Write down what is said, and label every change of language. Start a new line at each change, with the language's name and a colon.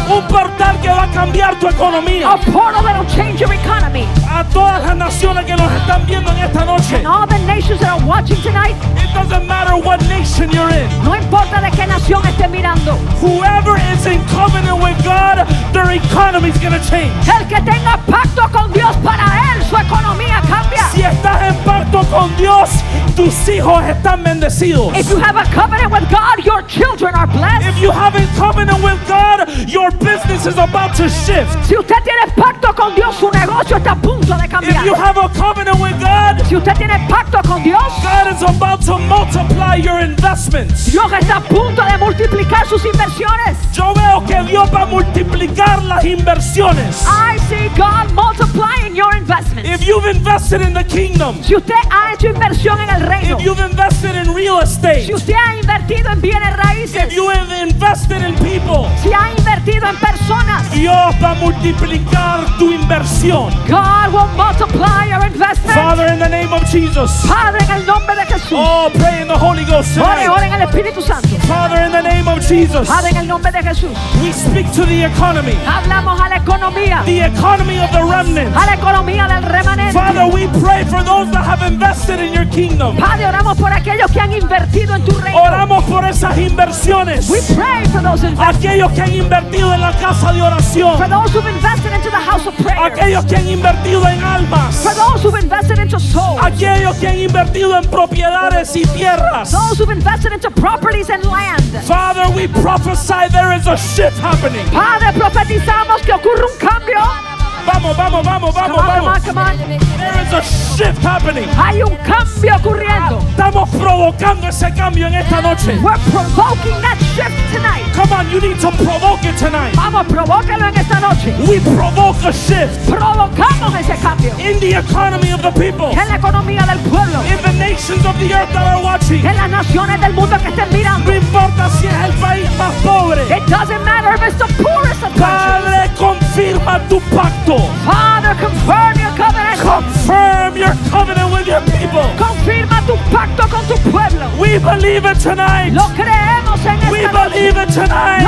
Spanish: Un portal que va a cambiar tu economía.
English: A portal that'll change your economy.
Spanish: A todas las naciones que nos están viendo en esta noche.
English: And all the nations that are watching tonight. It doesn't matter what nation you're in.
Spanish: No importa de qué nación esté mirando.
English: Whoever is in covenant with God, their economy is going to change.
Spanish: El que tenga pacto con Dios, para él su economía cambia. Si estás en pacto con Dios, tus hijos están bendecidos.
English: If you have a covenant with God, your children are blessed. If you have a covenant with God, your business is about to shift.
Spanish: Si usted tiene pacto con Dios, su negocio está a punto de cambiar.
English: If you have a covenant with God,
Spanish: si usted tiene pacto con Dios,
English: God is about to multiply your investments.
Spanish: Dios está a punto de multiplicar sus inversiones. Yo veo que Dios va a multiplicar las inversiones.
English: I see God multiplying your investments. If you've invested in the kingdom,
Spanish: si usted ha hecho inversión en el reino,
English: if you've invested in real estate,
Spanish: si usted ha invertido en bienes raíces,
English: if you have invested in people,
Spanish: si ha invertido en personas, Dios va a multiplicar tu inversión.
English: God will multiply your investment. Father, in the name of Jesus.
Spanish: Padre, en el nombre de Jesús.
English: Oh, pray in the Holy Ghost tonight.
Spanish: Ore, ore en el Espíritu Santo.
English: Father, in the name of Jesus.
Spanish: Padre, en el nombre de Jesús.
English: We speak to the economy.
Spanish: Hablamos a la economía.
English: The economy of the remnant.
Spanish: A la economía del remanente.
English: Father, we pray for those that have invested in your kingdom.
Spanish: Padre, oramos por aquellos que han invertido en tu reino. Oramos por esas inversiones.
English: We pray for those investors.
Spanish: Aquellos que han invertido en la casa de oración.
English: For those who've invested into the house of prayer.
Spanish: Aquellos que han invertido en almas.
English: For those who've invested into souls.
Spanish: Aquellos que han invertido en propiedades y tierras.
English: Those who've invested into properties and land. Father, we prophesy there is a shift happening.
Spanish: Padre, profetizamos que ocurre un cambio. Vamos.
English: Come on. There is a shift happening.
Spanish: Hay un cambio ocurriendo. Estamos provocando ese cambio en esta noche.
English: We're provoking that shift tonight. Come on, you need to provoke it tonight.
Spanish: Vamos, provócalo en esta noche.
English: We provoke a shift.
Spanish: Provocamos ese cambio.
English: In the economy of the people.
Spanish: En la economía del pueblo.
English: In the nations of the earth that are watching.
Spanish: En las naciones del mundo que estén mirando. No importa si es el país más pobre.
English: It doesn't matter if it's the poorest of countries.
Spanish: Padre, confirma tu pacto.
English: Father, confirm your covenant. Confirm your covenant with your people.
Spanish: Confirma tu pacto con tu pueblo.
English: We believe it tonight.
Spanish: Lo creemos en esta
English: We believe
Spanish: noche.
English: It tonight.